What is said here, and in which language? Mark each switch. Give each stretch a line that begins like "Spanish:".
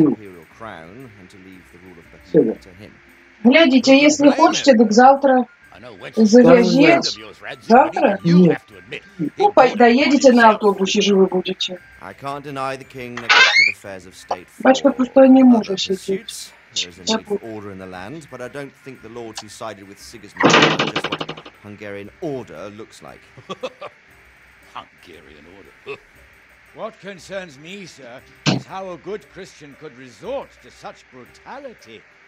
English: imperial crown and to leave the rule of Bohemia to him.
Russian: Глядите, если хочете, так завтра завезете. Завтра? Нет. Ну, доедете на автобусе, живы будете.
English: I can't deny the king neglected affairs of state.
Russian: Батька просто не может сидеть.
English: There is a need for order in the land, but I don't think the lords who sided with Sigismund is what Hungarian order looks like. Hungarian order. What concerns me, sir, is how a good Christian could resort to such brutality.